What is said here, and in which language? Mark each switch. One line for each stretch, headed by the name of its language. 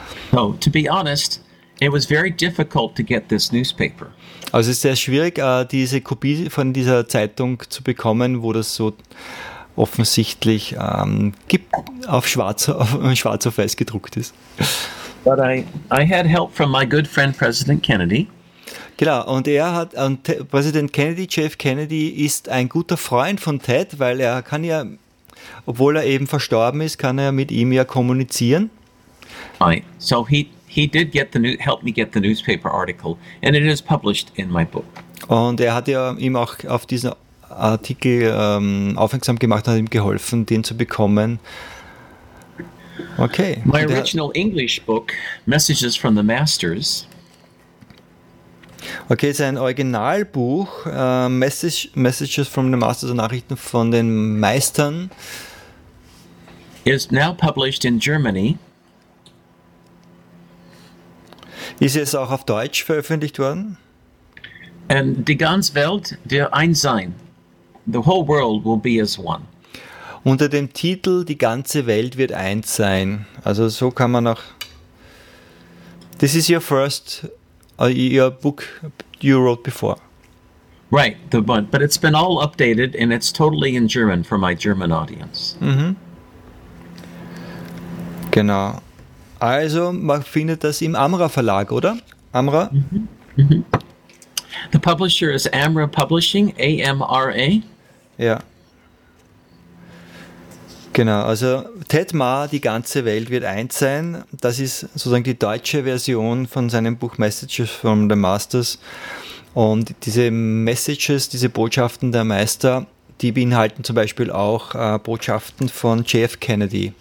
English: So, to be honest, it was very difficult to get this newspaper.
German: Also es ist sehr schwierig, diese Kopie von dieser Zeitung zu bekommen, wo das so offensichtlich schwarz auf weiß gedruckt ist.
English: But I had help from my good friend President Kennedy.
German: Genau, und Präsident Kennedy, Jeff Kennedy, ist ein guter Freund von Ted, weil er kann ja, obwohl er eben verstorben ist, kann er mit ihm ja kommunizieren.
English: Right. So he did get the help me get the newspaper article, and it is published in my book.
German: Und er hat ja ihm auch auf diesen Artikel aufmerksam gemacht, hat ihm geholfen, den zu bekommen.
English: Okay. My original English book, Messages from the Masters.
German: Okay, sein Originalbuch, Messages from the Masters, also Nachrichten von den Meistern,
English: is now published in Germany.
German: Ist es auch auf Deutsch veröffentlicht worden?
English: And
German: die ganze Welt wird eins sein.
English: The whole world will be as one.
German: Unter dem Titel Die ganze Welt wird eins sein. Also so kann man auch...
English: This is your first... your book you wrote before. Right, the one, but it's been all updated and it's totally in German for my German audience. Mm-hmm.
German: Genau. Also, man findet das im Amra Verlag, oder? Amra? Mm-hmm.
English: Mm-hmm. The publisher is Amra Publishing, AMRA.
German: Ja. Genau, also Ted Mar, Die ganze Welt wird eins sein, das ist sozusagen die deutsche Version von seinem Buch Messages from the Masters, und diese Messages, diese Botschaften der Meister, die beinhalten zum Beispiel auch Botschaften von JF Kennedy.